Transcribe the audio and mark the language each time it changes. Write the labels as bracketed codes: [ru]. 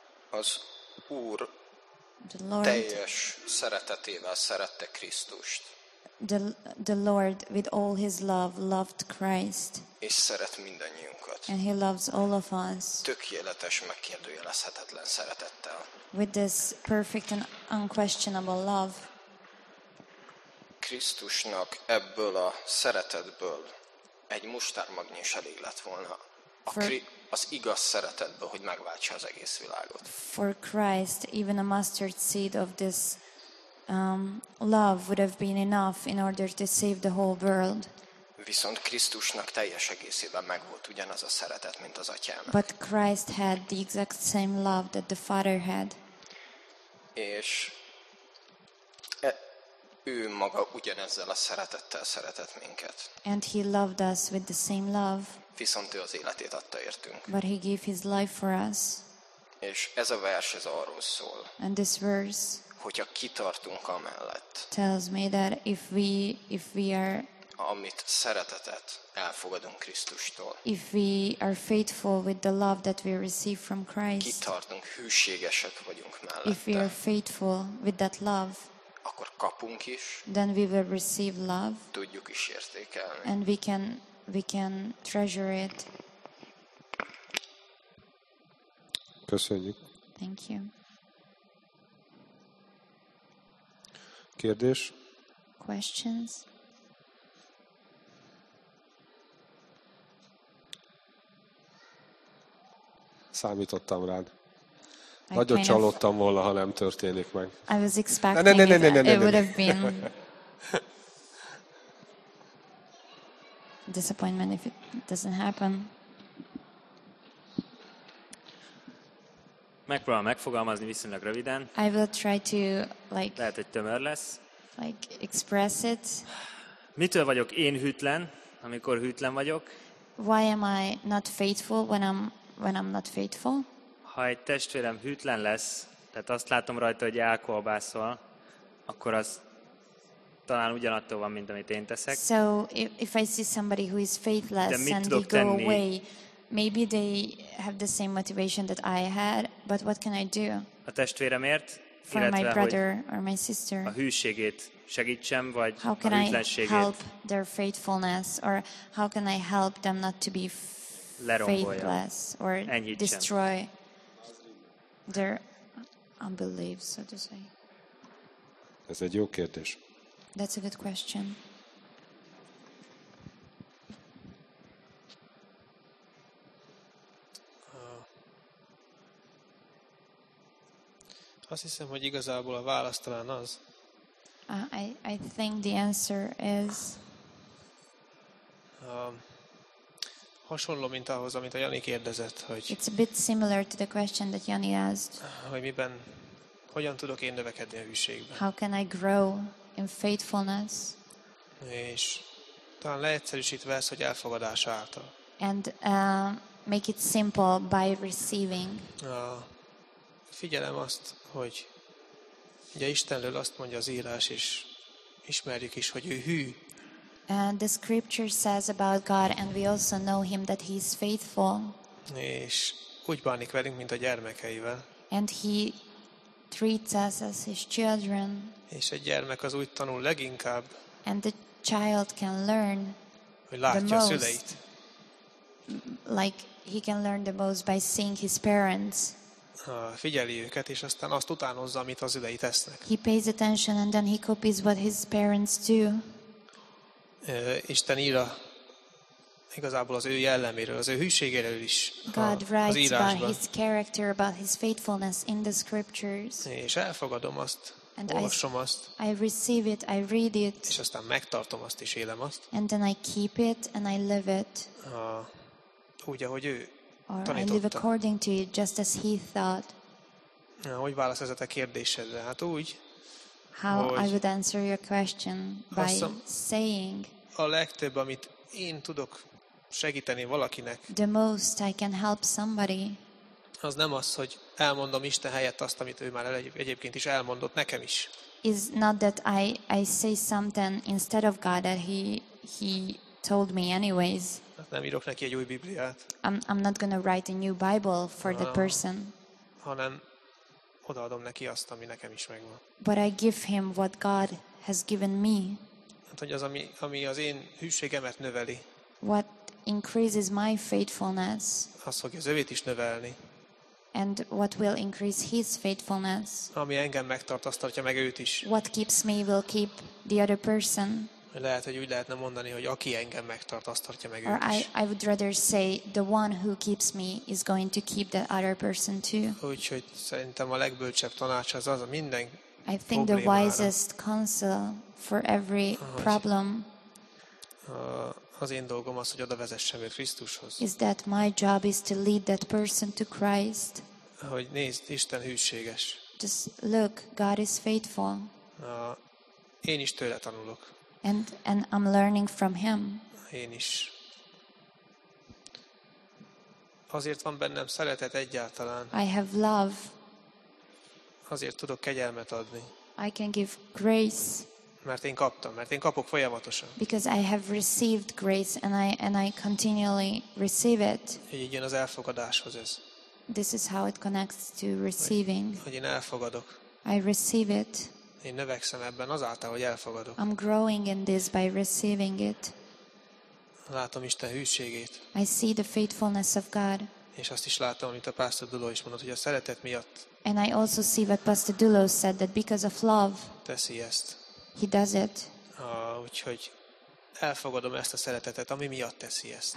[hu] Az Úr teljes szeretetével szerette Krisztust. [en] The Lord with all his love loved Christ. [hu] És szeret mindannyiunkat. [en] And he loves all of us. [hu] Tökéletes, megkérdőjelezhetetlen szeretettel. [en] With this perfect and unquestionable love. [hu] Krisztusnak ebből a szeretetből egy mustármagnyi is elég lett volna. Az igaz szeretetből, hogy megváltsa az egész világot. [en] For Christ, even a mustard seed of this love would have been enough in order to save the whole world. [hu] Viszont Krisztusnak teljes egészében megvolt ugyanaz a szeretet, mint az atyának. [en] But Christ had the exact same love that the Father had. [hu] És ő maga ugyanezzel a szeretettel szeretett minket. [en] And he loved us with the same love. [hu] Viszont ő az életét adta értünk. [en] But he gave his life for us. [hu] És ez a vers ez arról szól. [en] And this verse [hu] hogyha kitartunk amellett. [en] Tells me that if we are [hu] amit szeretetet elfogadunk Krisztustól. [en] If we are faithful with the love that we receive from Christ. [hu] Kitartunk, hűségesek vagyunk mellette. [en] If we are faithful with that love. [hu] akkor kapunk is. [en] Then we will receive love. [hu] Tudjuk is értékelni. [en] And we can treasure it. [hu] Köszönjük. [en] Thank you. [hu] Kérdés? [en] Questions? [hu] Számítottam rád. Nagyon csalódtam volna, ha nem történik meg. [en] I was expecting it would have been disappointment if it doesn't happen. [hu] Megpróbálom megfogalmazni viszonylag röviden. [en] I will try to like [hu] lehet, hogy tömör lesz. [en] Like express it. [hu] Mitől vagyok én hűtlen, amikor hűtlen vagyok? [en] Why am I not faithful when I'm not faithful? [hu] Ha egy testvérem hűtlen lesz, tehát azt látom rajta, hogy elkolbászol, akkor az talán ugyanattól van, mint amit én teszek. [en] So if I see somebody who is faithless and they go away, maybe they have the same motivation that I had, but what can I do? [hu] A testvéremért, [en] for my brother or my sister. [hu] A hűségét segítsem, vagy a hűtlenségét. [en] How can I help their faithfulness, or how can I help them not to be faithless or [hu] enyhítsem. [en] Destroy their unbelief, so to say. [hu] Ez egy jó kérdés. [en] That's a good question. [hu] Azt hiszem, hogy igazából a válasz talán az. [en] I think the answer is [hu] hasonló, mint ahhoz, amit a Jani kérdezett, hogy [en] it's a bit similar to the question that Jani asked. [hu] Hogy miben, hogyan tudok én növekedni a hűségben? [en] How can I grow in faithfulness? [hu] És talán leegyszerűsítve ez, hogy elfogadás által. [en] And make it simple by receiving. [hu] Figyelem azt, hogy ugye Istenről azt mondja az írás, és ismerjük is, hogy ő hű. [en] And the scripture says about God, and we also know him that he is faithful. [hu] És úgy bánik velünk, mint a gyermekeivel. [en] And he treats us as his children. [hu] És egy gyermek az úgy tanul leginkább. [en] And the child can learn [hu] hogy látja [en] the most, [hu] a szüleit. [en] Like he can learn the most by seeing his parents. [hu] Figyeli őket, és aztán azt utánozza, amit az ülei tesznek. [en] He pays attention and then he copies what his parents do. [hu] Isten ír a, igazából az ő jelleméről, az ő hűségéről is [en] God [hu] a, az írásban. [en] About his character, about his faithfulness in the scriptures. [hu] És elfogadom azt, and olvasom azt. [en] I receive it, I read it. [hu] És aztán megtartom azt, és élem azt. [en] And then I keep it and I live it. [hu] Úgy, ahogy ő [en] or [hu] tanította. [en] I live according to it, just as he thought. [hu] Na, hogy válasz ez a te kérdésedre? Hát úgy, [en] how I would answer your question by saying [hu] a legtöbb, amit én tudok segíteni valakinek, [en] the most I can help somebody, [hu] az nem az, hogy elmondom Isten helyett azt, amit ő már egyébként is elmondott nekem is. [en] Is not that I say something instead of God that he told me anyways. [hu] Nem írok neki egy új Bibliát. [en] I'm not gonna write a new Bible for the person. [hu] Hanem odaadom neki azt, ami nekem is megvan. [en] But I give him what God has given me. [hu] Hát, hogy az, ami az én hűségemet növeli. [en] What increases my faithfulness. [hu] Az fogja az övét is növelni. [en] And what will increase his faithfulness. [hu] Ami engem megtart, azt tartja meg őt is. [en] What keeps me will keep the other person. [hu] Lehet, hogy úgy lehetne mondani, hogy aki engem megtart, azt tartja meg őt is. [en] Or I would rather say the one who keeps me is going to keep the other person too. [hu] Úgyhogy szerintem a legbölcsebb tanács az a minden problémára. [en] I think the wisest counsel for every problem. [hu] Az én dolgom az, hogy oda vezessem őt Krisztushoz. [en] Is that my job is to lead that person to Christ? [hu] Hogy nézd, Isten hűséges. [en] Just look, God is faithful. [hu] Én is tőle tanulok. [en] And I'm learning from him. [hu] Én is. Azért van bennem szeretet egyáltalán. [en] I have love. [hu] Azért tudok kegyelmet adni. [en] I can give grace. [hu] Mert én kaptam, mert én kapok folyamatosan. [en] Because I have received grace and I continually receive it. [hu] Így jön az elfogadáshoz ez. [en] This is how it connects to receiving. [hu] Hogy én elfogadok. [en] I receive it. [hu] Én növekszem ebben azáltal, hogy elfogadok. [en] I'm growing in this by receiving it. [hu] Látom Isten hűségét. [en] I see the faithfulness of God. [hu] És azt is látom, amit a Pásztor Dulo is mondott, hogy a szeretet miatt. [en] And I also see what Pastor Dulo said, that because of love. [hu] Teszi ezt. [en] He does it. [hu] Úgyhogy elfogadom ezt a szeretetet, ami miatt teszi ezt.